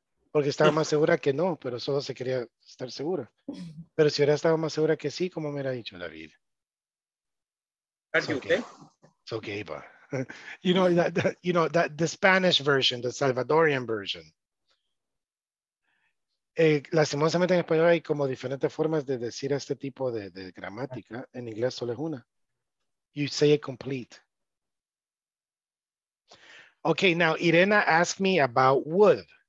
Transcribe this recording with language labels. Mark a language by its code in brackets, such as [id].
[es] Porque estaba más segura que no, pero solo se quería estar segura. Pero si hubiera estado más segura que sí, ¿cómo me hubiera dicho David? [en] Are you okay? Okay? It's okay, but you know that the Spanish version, the Salvadorian version. [es] Lastimosamente en español hay como diferentes formas de decir este tipo de gramática. En inglés solo es una. [en] You say it complete. Okay, now Irena asked me about wood. Oh,